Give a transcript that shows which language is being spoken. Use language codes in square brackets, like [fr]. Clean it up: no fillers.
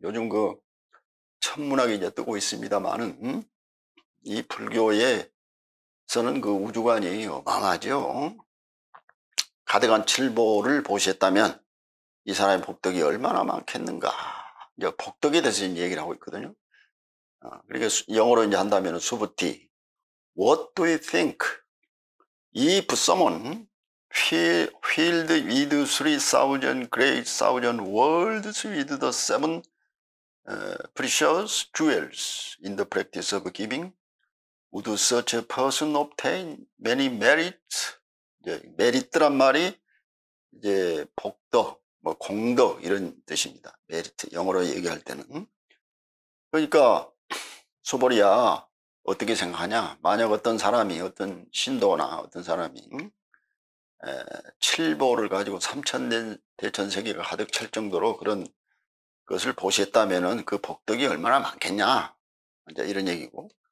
[ko] 요즘 그 천문학이 이제 뜨고 있습니다만은, 이 불교에서는 그 우주관이 어마어마하죠. 가득한 칠보를 보시했다면 이 사람의 복덕이 얼마나 많겠는가. 이제 복덕에 대해서 이제 얘기를 하고 있거든요. 그러니까 영어로 이제 한다면 수부티. [en] What do you think? If someone filled with 3,000 great 1,000 worlds with the seven precious jewels in the practice of giving, would such a person obtain many merits? [ko] 이제 메리트란 말이 이제 복덕, 뭐 공덕 이런 뜻입니다. 메리트 영어로 얘기할 때는. 그러니까 소보리야 어떻게 생각하냐? 만약 어떤 사람이, 어떤 신도나 어떤 사람이 칠보를 가지고 삼천대천세계가 가득 찰 정도로 그런 것을 보시했다면은 그 복덕이 얼마나 많겠냐? 이제 이런 얘기고.